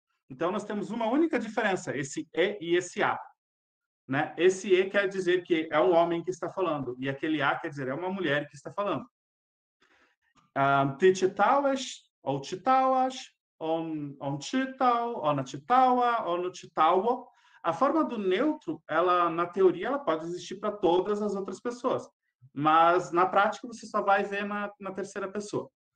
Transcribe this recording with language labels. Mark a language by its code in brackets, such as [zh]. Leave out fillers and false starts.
[pt] Então nós temos uma única diferença, esse E e esse A. Né? Esse E quer dizer que é um homem que está falando, e aquele A quer dizer é uma mulher que está falando. [pl] Ty czytałeś, [pt] ou [pl] czytałaś, on czytał, ona czytała, ono czytało. [pt] A forma do neutro, ela, na teoria, ela pode existir para todas as outras pessoas. mas na prática você só vai ver na terceira pessoa.